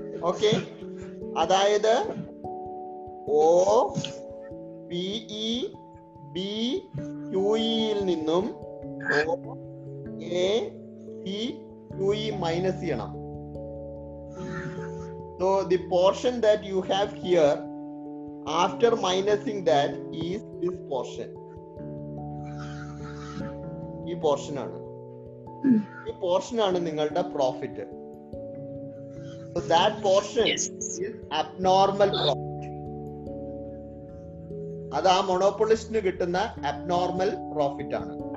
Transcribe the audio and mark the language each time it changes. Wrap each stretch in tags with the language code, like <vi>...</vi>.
<ml>Okay, അതായത് ഓ P B Q ഇയിൽ നിന്നും ഓ A C Q E minus ചെയ്യണം.</ml> <en>So the portion that you have here after minusing that is this portion.</en> <ml>ഈ portion ആണ്, ഈ portion ആണ് നിങ്ങളുടെ profit.</ml> <en>So that portion is abnormal profit.</en> <ml>അത് ആ മോണോപൊളിസ്റ്റിന് കിട്ടുന്ന അബ്നോർമൽ പ്രോഫിറ്റ് ആണ്.</ml>